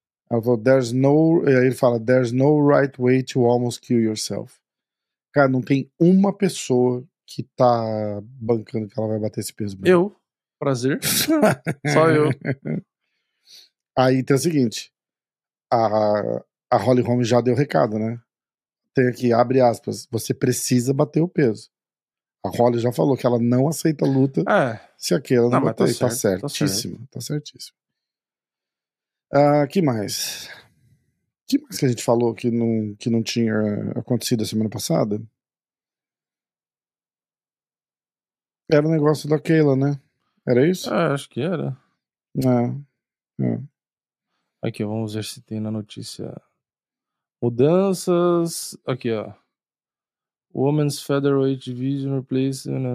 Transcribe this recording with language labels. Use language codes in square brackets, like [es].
[pt] Ela falou, [en] there's no right way to almost kill yourself. [pt] Cara, não tem uma pessoa que tá bancando que ela vai bater esse peso. Mesmo. Eu? Prazer. Só eu. Aí tem o seguinte, a Holly Holm já deu recado, né? Tem aqui, abre aspas, você precisa bater o peso. A Holly já falou que ela não aceita a luta se aquela não bater. Tá certíssimo. Tá certíssimo. Que mais? Que mais que a gente falou que não tinha acontecido a semana passada? Era o negócio da Kayla, né? Era isso? Acho que era. Aqui, vamos ver se tem na notícia. Mudanças. Aqui, ó. [en] Women's Featherweight Division Replace.